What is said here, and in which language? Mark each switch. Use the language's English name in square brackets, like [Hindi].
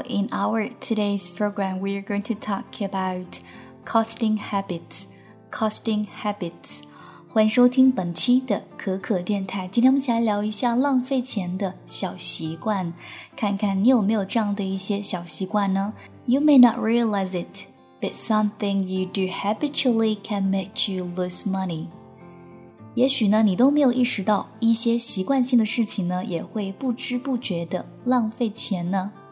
[English] In our today's program, we are going to talk about costing habits. Costing habits. [Chinese] 欢迎收听本期的可可电台。今天我们一起来聊一下浪费钱的小习惯，看看你有没有这样的一些小习惯呢？ [English] You may not realize it, but something you do habitually can make you lose money. [Chinese] 也许呢，你都没有意识到一些习惯性的事情呢，也会不知不觉的浪费钱呢。